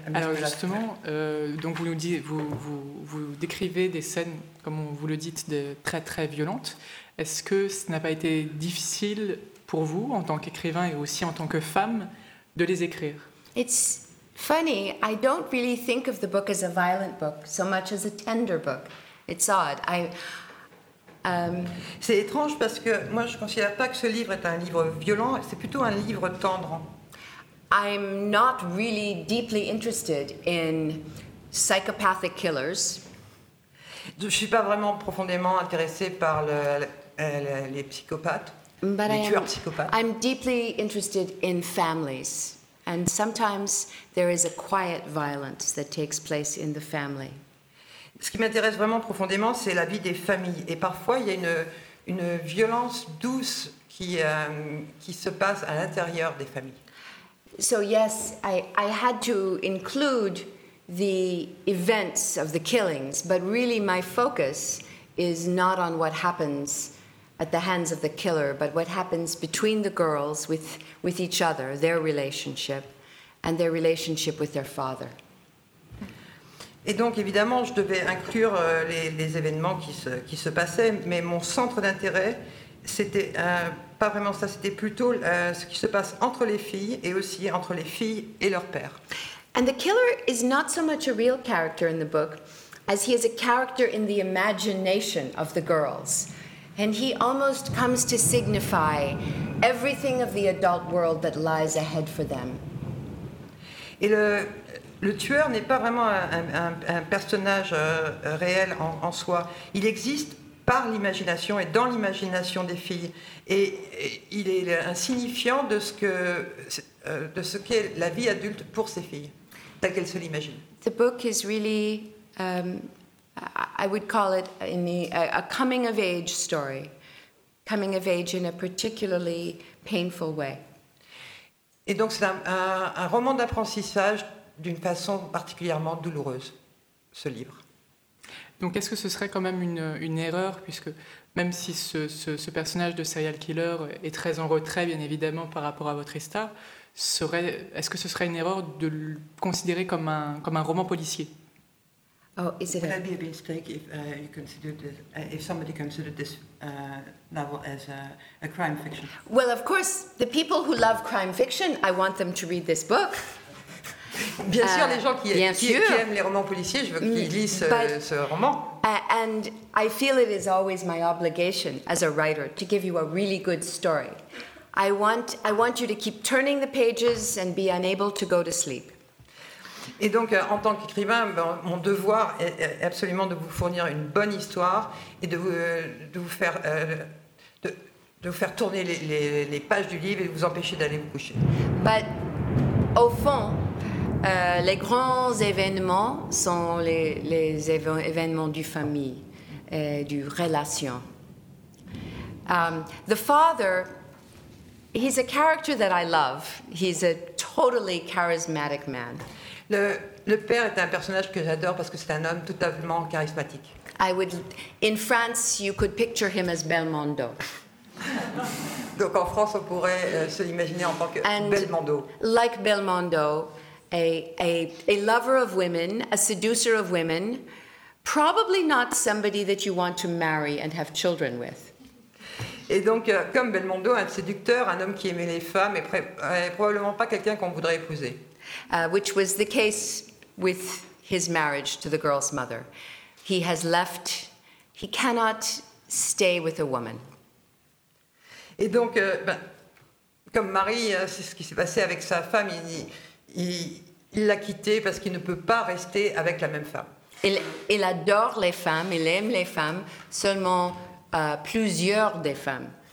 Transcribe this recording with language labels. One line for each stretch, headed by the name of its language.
French: Alors justement, donc vous décrivez des scènes, comme vous le dites, de très très violentes. Est-ce que ce n'a pas été difficile pour vous, en tant qu'écrivain et aussi en tant que femme, de les écrire?
English: It's funny, I don't really think of the book as a violent book, so much as a tender book. It's odd.
French: C'est étrange parce que moi je ne considère pas que ce livre est un livre violent, c'est plutôt un livre tendre.
English: I'm not really deeply interested in psychopathic killers.
French: Je ne suis pas vraiment profondément intéressée par les psychopathes,
English: but
French: les tueurs psychopathes.
English: I'm deeply interested in families, and sometimes there is a quiet violence that takes place in the family.
French: Ce qui m'intéresse vraiment profondément, c'est la vie des familles, et parfois il y a une violence douce qui se passe à l'intérieur des familles.
English: So yes, I had to include the events of the killings, but really my focus is not on what happens at the hands of the killer, but what happens between the girls with each other, their relationship, and their relationship with their father.
French: Et donc évidemment, je devais inclure les événements qui se passaient, mais mon centre d'intérêt, c'était pas vraiment ça, c'était plutôt ce qui se passe entre les filles et aussi entre les filles et leur père.
English: And the killer is not so much a real character in the book as he is a character in the imagination of the girls. And he almost comes to signify everything of the adult world that lies ahead for them.
French: Et le tueur n'est pas vraiment un personnage réel en soi. Il existe par l'imagination et dans l'imagination des filles. Et il est un signifiant de ce qu'est la vie adulte pour ces filles, telle qu'elles se l'imaginent.
English: The book is really, I would call it a coming of age story. Coming of age in a particularly painful way.
French: Et donc c'est un roman d'apprentissage d'une façon particulièrement douloureuse, ce livre. Donc est-ce que ce serait quand même une erreur, puisque même si ce personnage de serial killer est très en retrait, bien évidemment, par rapport à votre histoire, serait, est-ce que ce serait une erreur de le considérer comme un roman policier?
English: Oh, is it a... Would that be a mistake if you considered this, if somebody considered this novel as a crime fiction? Well, of course, the people who love crime fiction, I want them to read this book.
French: Bien sûr, les gens qui aiment les romans policiers, je veux qu'ils lisent ce roman.
English: And I feel it is always my obligation as a writer to give you a really good story. I want you to keep turning the pages and be unable to go to sleep.
French: Et donc, en tant qu'écrivain, mon devoir est absolument de vous fournir une bonne histoire et de vous faire tourner les pages du livre et vous empêcher d'aller vous coucher.
English: But
French: au fond, les grands événements sont les événements du famille et du relation.
English: The father, he's a character that I love. He's a totally charismatic man.
French: Le père est un personnage que j'adore parce que c'est un homme totalement charismatique.
English: I would, in France, you could picture him as Belmondo.
French: Donc en France, on pourrait se l'imaginer en tant que
English: And
French: Belmondo.
English: Like Belmondo, a lover of women, a seducer of women, probably not somebody that you want to marry and have children with.
French: Et donc, comme Belmondo, un séducteur, un homme qui aimait les femmes, et probablement pas quelqu'un qu'on voudrait épouser.
English: Which was the case with his marriage to the girl's mother. He has left, he cannot stay with a woman.
French: Et donc, comme Marie, c'est ce qui s'est passé avec sa femme, il l'a quittée parce qu'il ne peut pas rester avec la même femme. Il adore les femmes, il aime les femmes, seulement plusieurs des femmes.